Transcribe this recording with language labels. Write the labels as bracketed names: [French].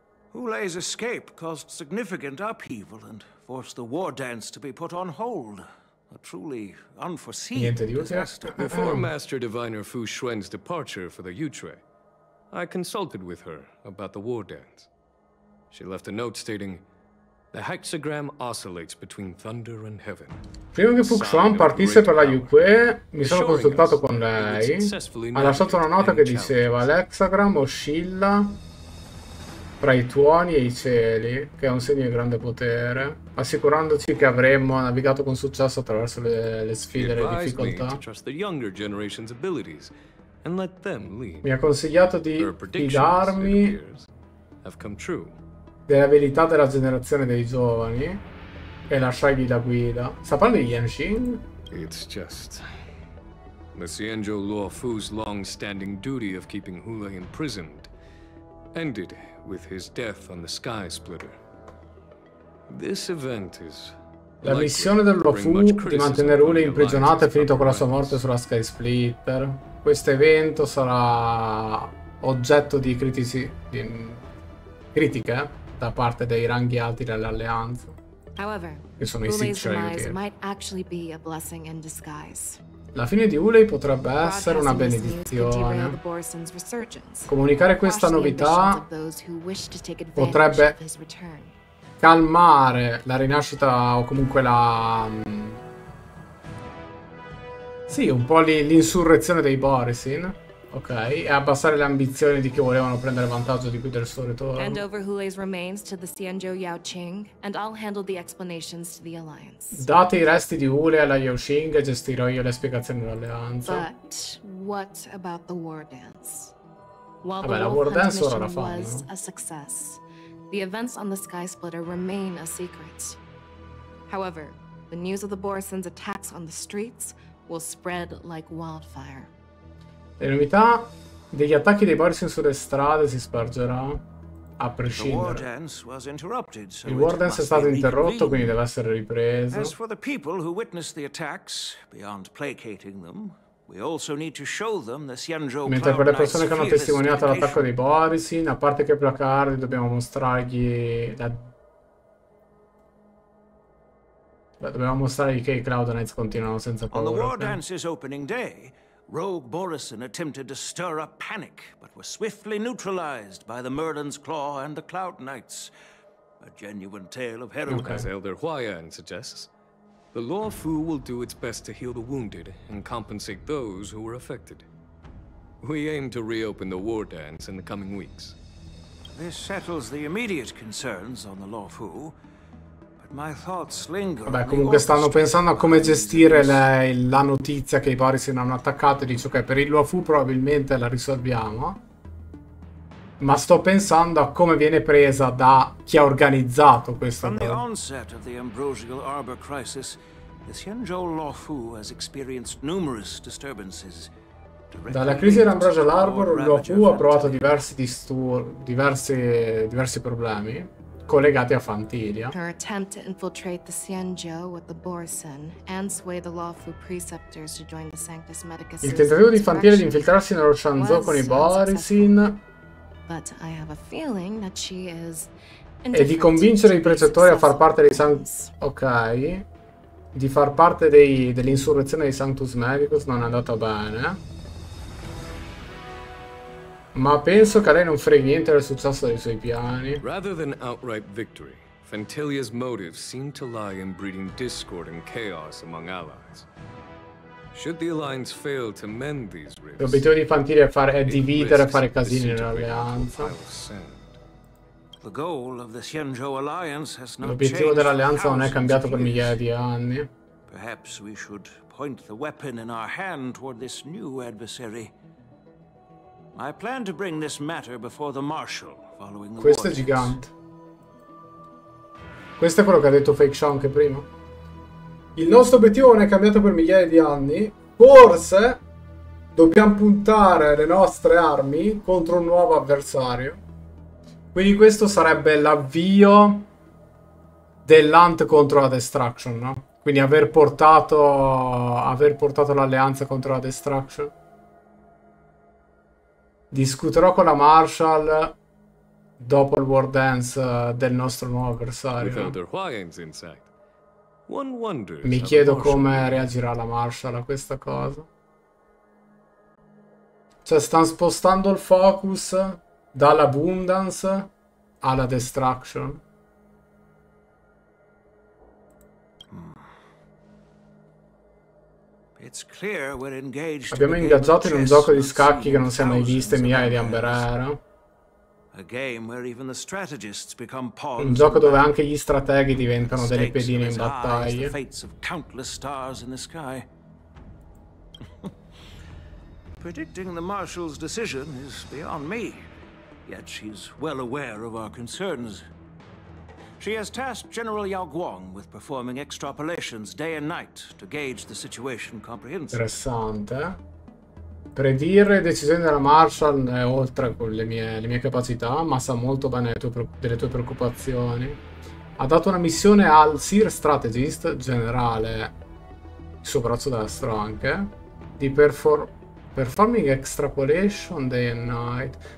[English] Ulay's escape caused significant upheaval and forced the war dance to be put on hold. A truly unforeseen. [Italian] Niente di utile. [English] Before Master Diviner Fu Xuan's departure for the Yutre, I consulted with her about the war dance. She left a note stating the hexagram oscillates between thunder and heaven. [Italian] Prima che Fu Xuan partisse per la Yue, mi sono consultato con lei. Ha lasciato una nota che diceva: l'hexagram oscilla tra i tuoni e i cieli, che è un segno di grande potere, assicurandoci che avremmo navigato con successo attraverso le sfide e le difficoltà. Mi ha consigliato di fidarmi delle abilità della generazione dei giovani e lasciargli la guida. Sta parlando di Yanxing? [English] It's just the Xianzhou Luo Fu's long-standing duty of keeping Hulei imprisoned ended with his death on the Sky Splitter. This event is [Italian] la missione del Luo Fu di mantenere Hulei imprigionato è finito con la sua morte sulla Sky Splitter. Questo evento sarà oggetto di critiche da parte dei ranghi alti dell'alleanza. [English] However, [Italian] che sono i [English] Sicilian. [Italian] La fine di Hulei potrebbe essere una benedizione. Comunicare questa novità potrebbe calmare la rinascita o comunque la. Sì, un po' l'insurrezione dei Borisin. Ok, e abbassare le ambizioni di chi volevano prendere vantaggio di qui del suo ritorno. [English] Hand over Hulei's remains to the Xianzhou Yao Qing, and I'll handle the explanations to the Alliance. [Italian] Date i resti di Hulei alla Yao Qing e gestirò io le spiegazioni dell'alleanza. [English] But what about the war dance? [Italian] While vabbè, la war dance ora la fanno. [English] Was a success, the events on the Sky Splitter remain a secret. However, the news of the Borisin's attacks on the streets will spread like wildfire. [Italian] Le novità degli attacchi dei Borisin sulle strade si spargerà a prescindere. Il war dance è stato interrotto, quindi deve essere ripreso. [English] As for the people who witnessed the attacks, beyond placating them, we also need to show them the Xianzhou. [Italian] Mentre per le persone che hanno testimoniato l'attacco dei Borisin, a parte che placarli, dobbiamo mostrargli dobbiamo mostrargli che i Cloud Knights continuano senza paura. [English] On the war dance is opening day. Rogue Borisin attempted to stir up panic, but were swiftly neutralized by the Merlin's Claw and the Cloud Knights. A genuine tale of heroism. Okay. As Elder Huayan suggests, the Luo Fu will do its best to heal the wounded and compensate those who were affected. We aim to reopen the war dance in the coming weeks. This settles the immediate concerns on the Luo Fu. My thoughts linger. [Italian] Vabbè, comunque stanno pensando a come gestire la notizia che i Borisin hanno attaccato e dice ok, per il Luo Fu probabilmente la risolviamo, ma sto pensando a come viene presa da chi ha organizzato questa cosa. [English] From the onset of the Ambrosial Arbor crisis, the Xianzhou Luo Fu has experienced numerous disturbances. [Italian] Dalla crisi dell'Ambrosial Arbor, il Luo Fu ha provato diversi problemi collegati a Fantilia. [English] Her attempt to infiltrate the Xianzhou with the Borisin and sway the Luo Fu preceptors to join the Sanctus Medicus. [Italian] Il tentativo di Fantilia di infiltrarsi nello Xianzhou con i Borisin. [English] But I have a feeling that she is. [Italian] E di convincere i precettori a far parte dei Sanctus. Ok. Di far parte dell'insurrezione dei Sanctus Medicus non è andata bene. Ma penso che a lei non freghi niente del successo dei suoi piani. [English] Rather than outright victory, Fantilia's motives seem to lie in breeding discord and chaos among allies. Should the alliance fail to mend these rifts, [Italian] l'obiettivo di Fantilia è dividere e fare casini nell'alleanza. [English] The goal of the Xianzhou alliance has not [Italian] l'obiettivo dell'alleanza non è cambiato per migliaia di anni. [English] Perhaps we should point the weapon in our hand toward this new adversary. I plan to bring this matter before the marshal following the [Italian] questo warnings. È gigante. Questo è quello che ha detto Fake Shao anche prima. Il nostro obiettivo non è cambiato per migliaia di anni. Forse dobbiamo puntare le nostre armi contro un nuovo avversario. Quindi questo sarebbe l'avvio dell'Ant contro la Destruction, no? Quindi aver portato l'alleanza contro la Destruction. Discuterò con la Marshall dopo il War Dance del nostro nuovo avversario. Mi chiedo come reagirà la Marshall a questa cosa. Cioè, stanno spostando il focus dall'Abundance alla Destruction. [English] It's clear we're engaged. [Italian] Abbiamo ingaggiato in un gioco di scacchi che non si è mai visto in migliaia di Amber Era. [English] A game where even the strategists become pawns. [Italian] Un gioco dove anche gli strateghi diventano delle pedine in battaglia. [English] Fates of countless stars in the sky. Predicting the Marshal's decision is beyond me. Yet she's well aware of our concerns. She has tasked General Yao Guang with performing extrapolations day and night to gauge the situation comprehensively. [Italian] Interessante. Predire le decisioni della Marshall è oltre con le mie capacità, ma sa molto bene delle tue preoccupazioni. Ha dato una missione al Seer Strategist, generale, il suo braccio destro anche, di [English] performing extrapolation day and night.